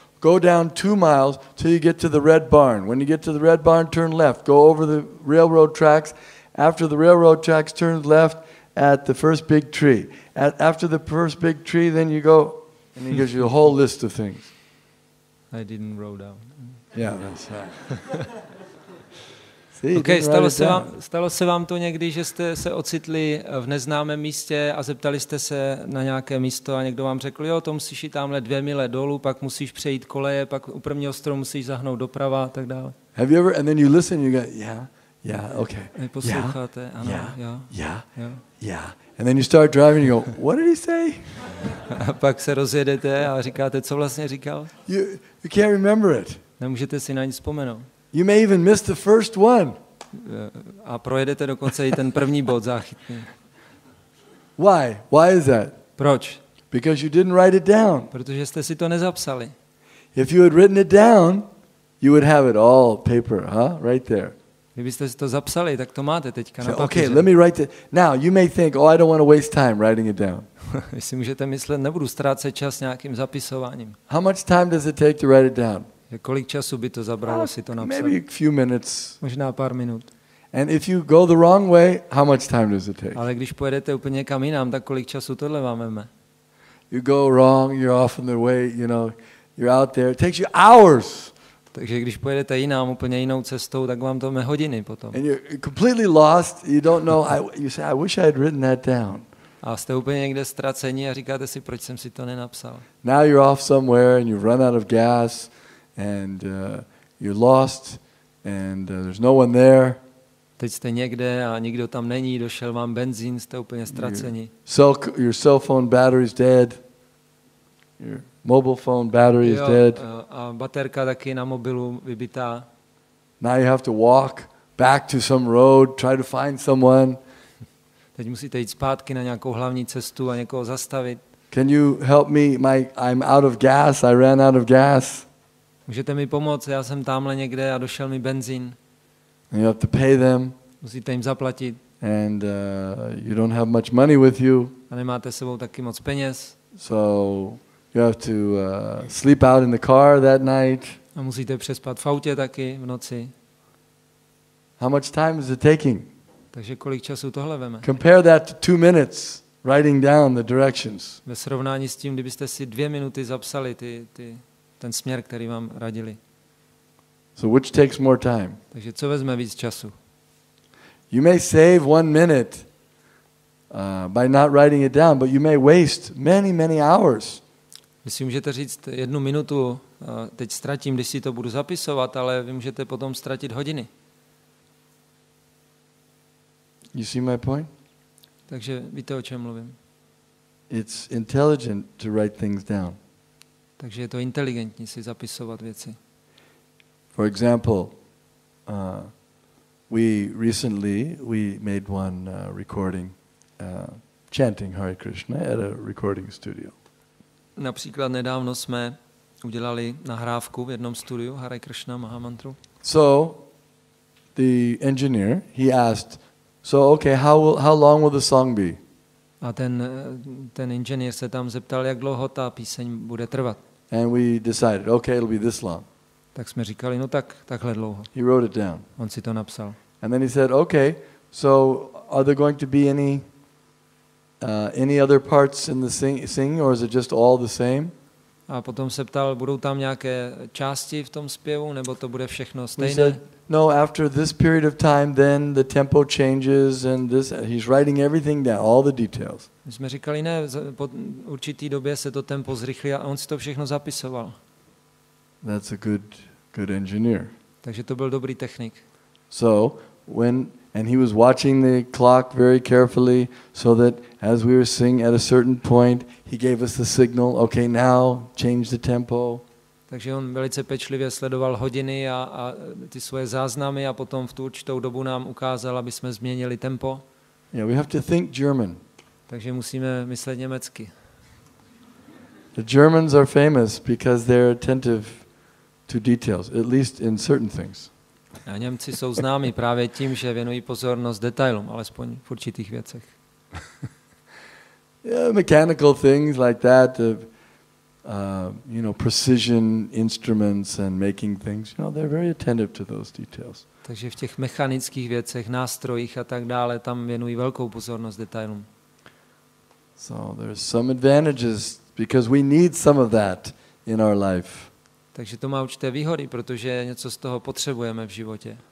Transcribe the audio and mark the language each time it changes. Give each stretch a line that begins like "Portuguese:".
English: Go down 2 miles till you get to the red barn. When you get to the red barn, turn left. Go over the railroad tracks. After the railroad tracks, turn left at the first big tree. After the first big tree, then you go, and he gives you a whole list of things. I didn't wrote down. Yeah, that's right. See, okay,
Czech: stalo se vám to někdy, že jste se ocitli v neznámém místě a zeptali jste se na nějaké místo a někdo vám řekl, jo, to musíš jít tamhle 2 mile dolů, pak musíš přejít koleje, pak u prvního stromu musíš zahnout doprava a tak dále.
English: Have you ever, and then you listen, you go, yeah, okay.
Czech: Posloucháte, ano,
English: yeah. And then you start driving, you go, what did he say?
Czech: A pak se rozjedete a říkáte, co vlastně říkal?
English: You can't remember it.
Czech: Nemůžete si na nic vzpomenout.
English: You may even miss the first one.
Czech: A projedete dokonce i ten první bod záchytný.
English: Why? Why is that?
Czech: Proč?
English: Because you didn't write it down.
Czech: Protože jste si to nezapsali.
English: If you had written it down, you would have it all paper, huh? Right there.
Czech: Kdybyste si to zapsali, tak to máte teďka na papíře.
English: Okay, let me write it. Now, you may think, oh, I don't want to waste time writing it down.
Czech: Vy si můžete myslet, nebudu ztrácet čas nějakým zapisováním.
English: How much time does it take to write it down?
Czech: Kolik času by to zabralo si to napsat?
English: Maybe a few minutes.
Czech: Možná pár minut.
English: And if you go the wrong way, how much time does it take?
Czech: Ale když pojedete úplně kam jinam, tak kolik času tohle vám vezme?
English: You go wrong, you're off on the way, you know, you're out there. It takes you hours.
Czech: Takže když pojedete jinam, úplně jinou cestou, tak vám to vezme hodiny potom.
English: And you're completely lost, you don't know, you say, I wish I had written that down.
Czech: A jste úplně někde ztracení a říkáte si, proč jsem si to nenapsal.
English: Now you're off somewhere and you've run out of gas and you're lost and there's no one there.
Czech: Teď jste někde a nikdo tam není, došel vám benzín, jste úplně ztracení.
English: Your cell phone battery is dead. Your mobile phone battery is dead.
Czech: A baterka taky na mobilu vybitá.
English: Now you have to walk back to some road, try to find someone.
Czech: Teď musíte jít zpátky na nějakou hlavní cestu a někoho zastavit.
English: Can you help me? I'm out of gas. I ran out of gas.
Czech: Můžete mi pomoct? Já jsem tamhle někde a došel mi benzín.
English: And you have to pay them.
Czech: Musíte jim zaplatit.
English: And you don't have much money with you.
Czech: A nemáte s sebou taky moc peněz.
English: So you have to sleep out in the car that night.
Czech: A musíte přespat v autě taky v noci.
English: How much time is it taking?
Czech: Takže kolik času tohle veme?
English: Compare that to 2 minutes writing down the directions.
Czech: Ve srovnání s tím, kdybyste si 2 minuty zapsali ten směr, který vám radili.
English: So which takes more time?
Czech: Takže co vezme víc času?
English: You may save 1 minute by not writing it down, but you may waste many, many hours.
Czech: Vy si můžete říct, 1 minutu teď ztratím, když si to budu zapisovat, ale vy můžete potom ztratit hodiny.
English: You see my point?
Czech: Takže víte, o čem mluvím.
English: It's intelligent to write things down.
Czech: Takže je to inteligentní si zapisovat věci.
English: For example, we recently made one recording chanting Hare Krishna at a recording studio.
Czech: Například nedávno jsme udělali nahrávku v jednom studiu Hare Krishna Mahamantru.
English: So the engineer, he asked, so okay, how long will the song be?
Czech: A ten inženýr se tam zeptal, jak dlouho ta píseň bude trvat.
English: And we decided, okay, it'll be this long.
Czech: Tak jsme říkali, no tak takhle dlouho.
English: He wrote it down.
Czech: On si to napsal.
English: And then he said, okay, so are there going to be any other parts in the singing, or is it just all the same?
Czech: A potom se ptal, budou tam nějaké části v tom zpěvu, nebo to bude všechno stejné?
English: No, after this period of time, then the tempo changes, and he's writing everything down, all the details.
Czech: My jsme říkali, ne, po určitý době se to tempo zrychlí a on si to všechno zapisoval.
English: That's a good engineer.
Czech: Takže to byl dobrý technik.
English: So when and he was watching the clock very carefully so that as we were singing at a certain point he gave us the signal, okay, now change the tempo.
Czech: Takže on velice pečlivě sledoval hodiny a ty svoje záznamy a potom v tu určitou dobu nám ukázal, aby jsme změnili tempo.
English: Yeah, we have to think German.
Czech: Takže musíme myslet německy.
English: The Germans are famous because they're attentive to details, at least in certain things.
Czech: A Němci jsou známi právě tím, že věnují pozornost detailům, alespoň v určitých věcech.
English: Yeah, mechanical things like that, you know, precision instruments and making things, you know, they're very attentive to those details.
Czech: Takže v těch mechanických věcech, nástrojích a tak dále, tam věnují velkou pozornost detailům.
English: So there's some advantages because we need some of that in our life.
Czech: Takže to má určité výhody, protože něco z toho potřebujeme v životě.